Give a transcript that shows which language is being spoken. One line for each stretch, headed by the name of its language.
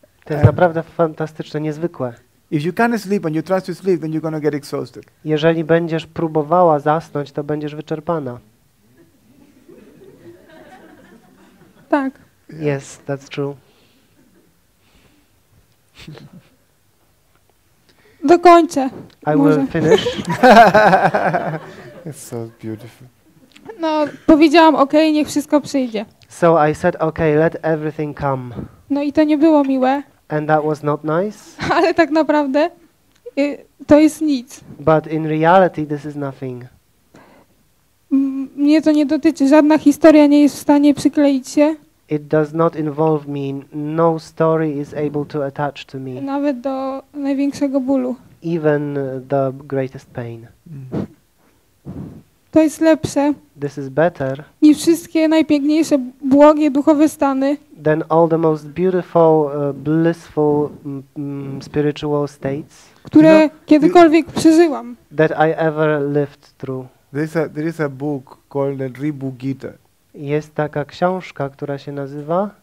Polish: To jest naprawdę fantastyczne, niezwykłe.
English: If you can't sleep and you try to sleep, then you're going to get exhausted.
Polish: Jeżeli będziesz próbowała zasnąć, to będziesz wyczerpana. Tak.
English: Yes, that's true.
Polish: Dokończę.
English: I will finish. It's so beautiful.
Polish: No, powiedziałam, okej, okay, niech wszystko przyjdzie.
English: So I said, okay, let everything come.
Polish: No i to nie było miłe.
English: And that was not nice.
Polish: Ale tak naprawdę to jest nic.
English: But in reality this is nothing.
Polish: Mnie to nie dotyczy. Żadna historia nie jest w stanie przykleić się.
English: It does not involve me. No story is able to attach to me.
Polish: Nawet do największego bólu.
English: Even the greatest pain.
Polish: To jest lepsze.
English: This is better.
Polish: Niż wszystkie najpiękniejsze błogie duchowe stany.
English: Than all the most beautiful, blissful spiritual states.
Polish: Które kiedykolwiek przeżyłam.
English: That I ever lived through. There is a book called the Ribu Gita.
Polish: Jest taka książka, która się nazywa.